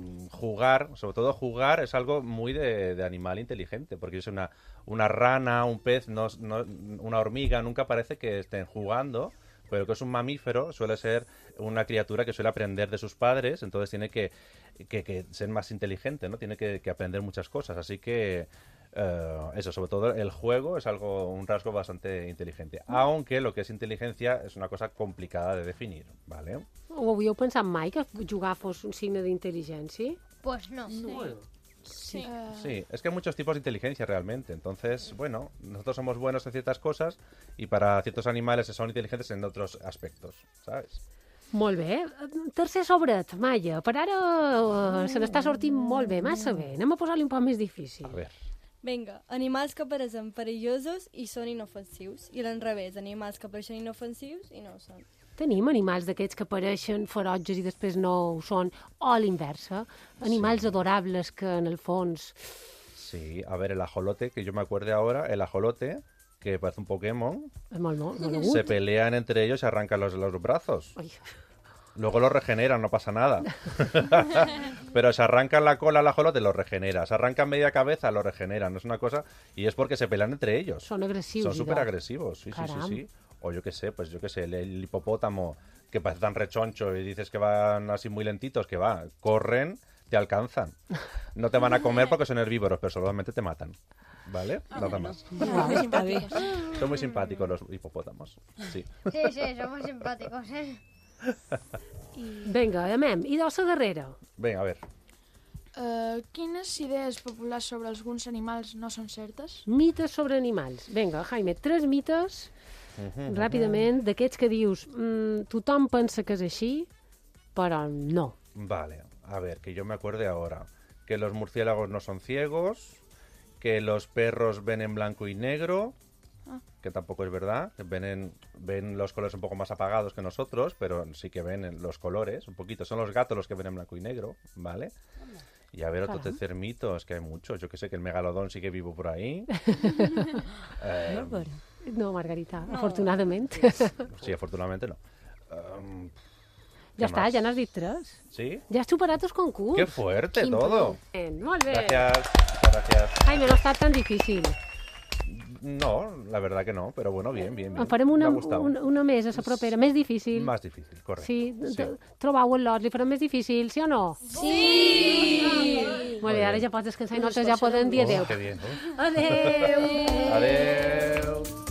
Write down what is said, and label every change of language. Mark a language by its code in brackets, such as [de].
[es] Jugar, sobre todo jugar, es algo muy de animal inteligente, porque es una rana, un pez, no, una hormiga, nunca parece que estén jugando, pero que es un mamífero, suele ser una criatura que suele aprender de sus padres, entonces tiene que ser más inteligente, ¿no? Tiene que aprender muchas cosas, así que eso, sobre todo el juego es algo, un rasgo bastante inteligente, aunque lo que es inteligencia es una cosa complicada de definir, ¿vale? [ca] Ho havíeu pensat mai que jugar fos un signe d'intel·ligència? [es] Pues no. Sí. Sí, es que hay muchos tipos de inteligencia realmente. Entonces, bueno, nosotros somos buenos en ciertas cosas y para ciertos animales son inteligentes en otros aspectos, ¿sabes? [ca] Molt bé. Tercer sobret, Maya. Per ara se n'està sortint molt bé, massa bé. Anem a posar-li un poc més difícil. [es] A ver. [ca] Vinga, animals que apareixen perillosos i són inofensius. I l'enrevés, animals que apareixen inofensius i no ho són. Tenim animals d'aquests que apareixen ferotges i després no ho són, o a l'inversa. Animals sí. Adorables que, en el fons... [es] Sí, a ver, el ajolote, que yo me acuerde ahora, el ajolote, que parece un Pokémon... [ca] Es molt [es] se pelean entre ellos y arrancan los brazos. Ay. Luego lo regeneran, no pasa nada. Pero se arrancan la cola al ajolote, lo regenera. Se arrancan media cabeza, lo regeneran. No es una cosa... Y es porque se pelean entre ellos. Son agresivos. Son súper agresivos, sí, caram. Sí, sí, sí. O yo qué sé, el hipopótamo que parece tan rechoncho y dices que van así muy lentitos, que va, corren, te alcanzan. No te van a comer porque son herbívoros, pero solamente te matan. ¿Vale? Nada más. Son muy simpáticos los hipopótamos. Sí, sí, sí, son muy simpáticos, ¿eh? [ca] Venga, amem. I d'oso darrere. [es] Venga, a ver. [ca] Quines idees populars sobre alguns animals no són certes? Mites sobre animals. Venga, Jaime, tres mites... Uh-huh, ràpidament, uh-huh. D'aquests que dius tothom pensa que és així però no. [es] Vale, a ver, que yo me acuerde ahora que los murciélagos no son ciegos, que los perros ven en blanco y negro, que tampoco es verdad, ven los colores un poco más apagados que nosotros, pero sí que ven los colores un poquito, son los gatos los que ven en blanco y negro, ¿vale? Y a ver, otro tercer mito, es que hay muchos, yo que sé que el megalodón sigue vivo por ahí. [ca] No, Margarita, no. Afortunadament. Sí, afortunadament no. Ja està, ja n'has dit tres. Sí? Ja has superat els concurs. [es] Qué fuerte. Quin todo. [ca] Punt. Molt bé. [es] Gracias. [ca] Ai, no ha estat tan difícil. [es] No, la verdad que no, pero bueno, bien. [ca] En farem una més a la propera, més difícil. [es] Más difícil, [ca] correcte. Sí, trobau el lot, li farem més difícil, sí o no? Sí! Molt bé, ara ja pots descansar i nosaltres ja podem dir adéu. [es] Que bien, [ca] eh? Adéu! Adéu!